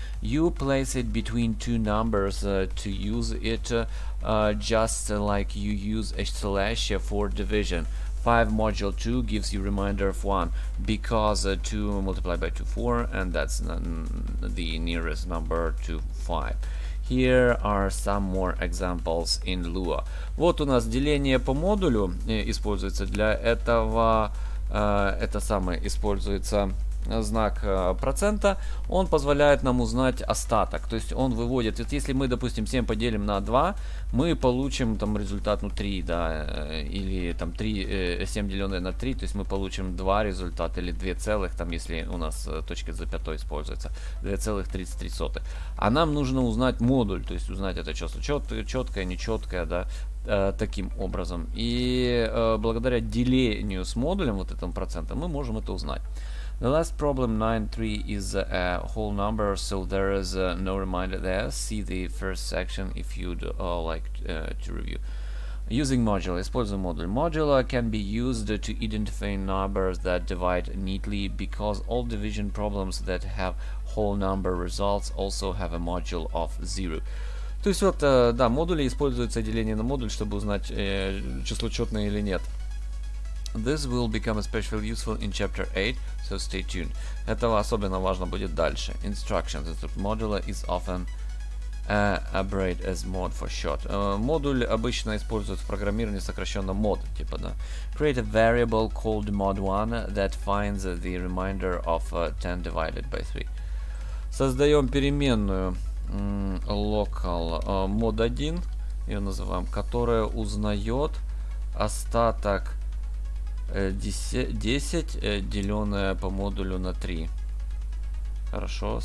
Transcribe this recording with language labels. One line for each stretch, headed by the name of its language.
English: You place it between two numbers to use it, just like you use a slash for division. 5 module 2 gives you remainder of 1, because 2 multiplied by 2, 4, and that's the nearest number to 5. Here are some more examples in Lua.
Russian: Вот у нас деление по модулю используется для этого. Это самое используется знак процента. Он позволяет нам узнать остаток. То есть он выводит. Вот если мы, допустим, 7 поделим на 2, мы получим там результат 3, да, или там 3, 7 деленное на 3, то есть мы получим 2 результата или 2 целых, там, если у нас точка с запятой используется, 2,33. А нам нужно узнать модуль, то есть узнать это число, четкое, нечеткое, да, таким образом. И благодаря делению с модулем, вот этим процентом, мы можем это узнать.
English: The last problem, 9.3, is a whole number, so there is no reminder there. See the first section if you'd like to review. Using modulo,
Russian: используем модуль.
English: Modulo can be used to identify numbers that divide neatly, because all division problems that have whole number results also have a module of 0.
Russian: То есть вот, да, модули используются деление на модуль, чтобы узнать, число четное или нет.
English: This will become especially useful in chapter 8, so stay tuned.
Russian: Это особенно важно будет дальше.
English: Instructions. Modulo is often abbreviated as mod for short.
Russian: Модуль обычно используют в программировании сокращенно mod, типа, да.
English: Create a variable called mod1 that finds the remainder of 10 divided by 3.
Russian: Создаем переменную local mod1, ее называем, которая узнает остаток 10 деленное по модулю на 3. Хорошо.